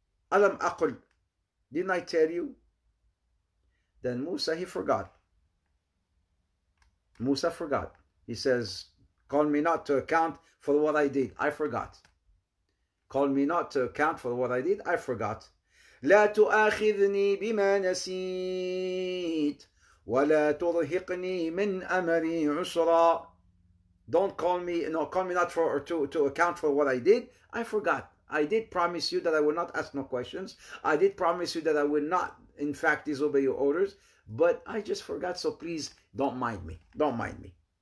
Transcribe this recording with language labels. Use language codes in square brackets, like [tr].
[ar] Alam aqul. [en] Didn't I tell you? Then Musa, he forgot. Musa forgot. He says, call me not to account for what I did. I forgot. Call me not to account for what I did. I forgot. [ar] لا تؤاخذني بما نسيت ولا ترهقني من أمري عسرا. [en] Don't call me, no, call me not to account for what I did. I forgot. I did promise you that I would not ask no questions. I did promise you that I would not, in fact, disobey your orders. But I just forgot. So please don't mind me. Don't mind me.